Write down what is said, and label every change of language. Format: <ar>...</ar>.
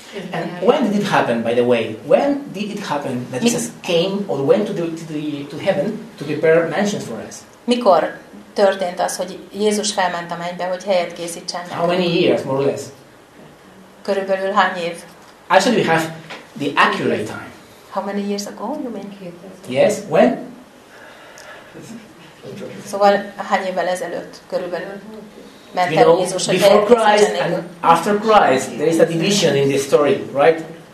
<en>And when did it happen, by the way? When did it happen that Jesus came or went to heaven to prepare mansions for us?</en> <hu>Mikor történt az, hogy Jézus felment a mennybe, hogy helyet készítsen?</hu> <en>How many years, more or less?</en> <hu>Körülbelül hány év?</hu> <en>Actually, we have the accurate time. How many years ago, you mean? Yes, when?</en> <hu>Szóval hány évvel ezelőtt, körülbelül?</hu> <en>You know, before Christ and after Christ, there is a division in this story, right?</en>